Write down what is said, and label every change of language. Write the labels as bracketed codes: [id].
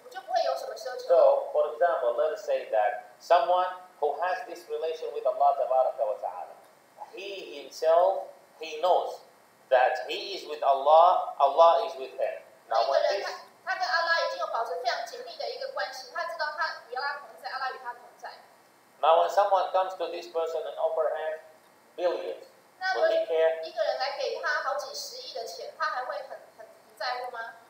[en] let us say that someone who has this relation with Allah tabaraka wa ta'ala, he himself, he knows that he is with Allah, Allah is with him. Now when this... [zh] 他跟阿拉已经有保持非常紧密的一个关系，他知道他与阿拉同在，阿拉与他同在。 [en] Now when someone comes to this person and offer him billions, will he care? [zh] 一个人来给他好几十亿的钱，他还会很在乎吗？